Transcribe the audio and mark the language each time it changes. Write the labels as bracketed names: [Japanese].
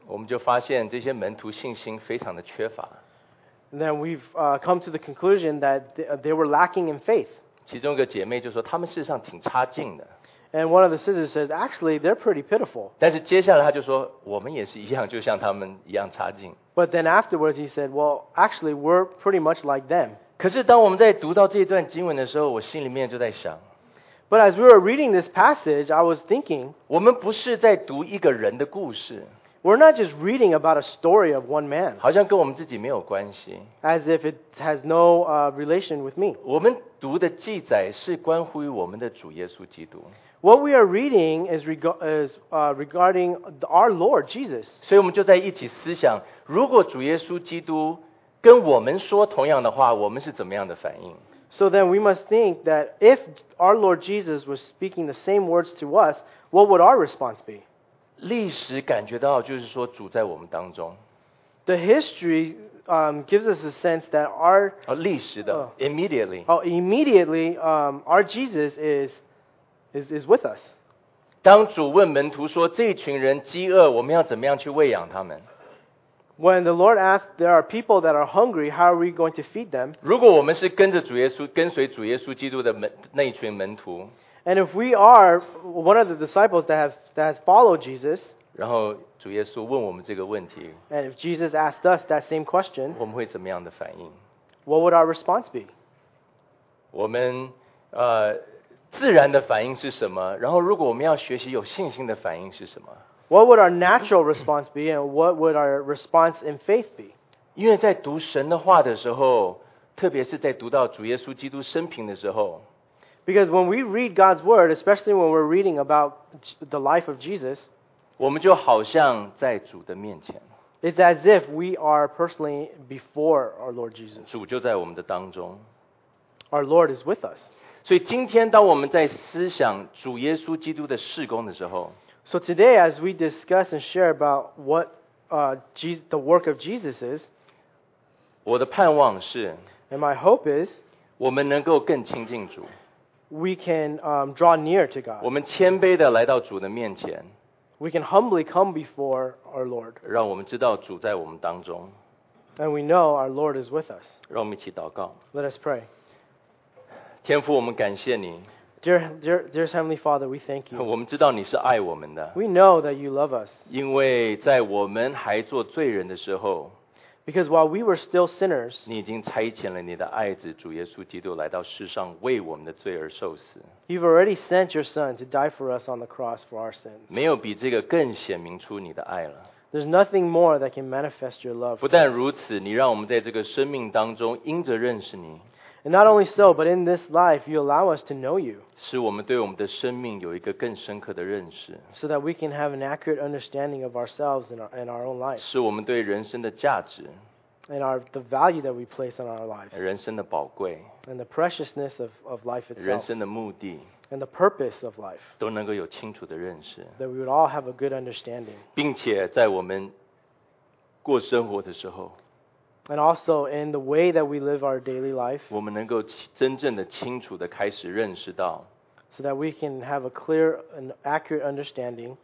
[Chinese] 我们就发现这些门徒信心非常的缺乏。 [English] And then we've come to the conclusion that they were lacking in faith. [Chinese] 其中一个姐妹就说他们事实上挺差劲的。 [English] And one of the sisters says, actually, they're pretty pitiful. [Chinese] 但是接下来他就说我们也是一样，就像他们一样差劲。 [English] But then afterwards he said, well, actually, we're pretty much like them. [Chinese] 可是当我们在读到这段经文的时候，我心里面就在想。 [English] But as we were reading this passage, I was thinking, [Chinese] 我们不是在读一个人的故事。 [English] We're not just reading about a story of one man. [Chinese] 好像跟我们自己没有关系。 [English] As if it has no relation with me. [Chinese] 我们读的记载是关乎于我们的主耶稣基督。 [English] What we are reading is regarding our Lord Jesus. [Chinese] 所以我们就在一起思想，如果主耶稣基督跟我们说同样的话，我们是怎么样的反应？ [English] So then we must think that if our Lord Jesus was speaking the same words to us, what would our response be? [Chinese] 历史感觉到就是说主在我们当中。 [English] The history gives us a sense that our... [Chinese] 历史的 [English] immediately. Immediately, our Jesus is with us. [Chinese] 当主问门徒说这群人饥饿，我们要怎么样去喂养他们？ [English] When the Lord asked, there are people that are hungry, how are we going to feed them? [Chinese] 如果我们是跟着主耶稣，跟随主耶稣基督的那一群门徒。 [English] And if we are one of the disciples that has followed Jesus. [Chinese] 然后主耶稣问我们这个问题。 [English] And if Jesus asked us that same question. [Chinese] 我们会怎么样的反应？ [English] What would our response be? [Chinese] 我们自然的反应是什么？然后如果我们要学习有信心的反应是什么？ [English] What would our natural response be, and what would our response in faith be? [Chinese] 因为在读神的话的时候，特别是在读到主耶稣基督生平的时候。 [English] Because when we read God's word, especially when we're reading about the life of Jesus, [Chinese] 我们就好像在主的面前。 [English] It's as if we are personally before our Lord Jesus. [Chinese] 主就在我们的当中。 [English] Our Lord is with us. [Chinese] 所以今天当我们在思想主耶稣基督的事工的时候， [English] So today, as we discuss and share about what the work of Jesus is, [Chinese] 我的盼望是 [English] and my hope is, [Chinese] 我们能够更亲近主 [English] we can draw near to God. [Chinese] 我们谦卑地来到主的面前 [English] we can humbly come before our Lord. [Chinese] 让我们知道主在我们当中 [English] and we know our Lord is with us. [Chinese] 让我们一起祷告 [English] Let us pray. [Chinese] 天父，我们感谢你 [English] Dear Heavenly Father, we thank you. [Chinese] 我们知道你是爱我们的。 [English] We know that you love us. [Chinese] 因为在我们还做罪人的时候 [English] ，Because while we were still sinners, [Chinese] 你已经差遣了你的爱子主耶稣基督来到世上为我们的罪而受死。 [English] You've already sent your Son to die for us on the cross for our sins. [Chinese] 没有比这个更显明出你的爱了。 [English] There's nothing more that can manifest your love. [Chinese] 不但如此，你让我们在这个生命当中因着认识你。 [English] And not only so, but in this life, you allow us to know you. [Chinese] 使我们对我们的生命有一个更深刻的认识。 [English] So that we can have an accurate understanding of ourselves and our own life. [Chinese] 使我们对人生的价值。 [English] And the value that we place on our lives. [Chinese] 人生的宝贵。 [English] And the preciousness of life itself. [Chinese] 人生的目的。 [English] And the purpose of life. [Chinese] 都能够有清楚的认识。 [English] That we would all have a good understanding. [Chinese] 并且在我们过生活的时候。 [English] And also in the way that we live our daily life, [Chinese] 我们能够真正的清楚的开始认识到 [English] so that we can have a clear and accurate understanding,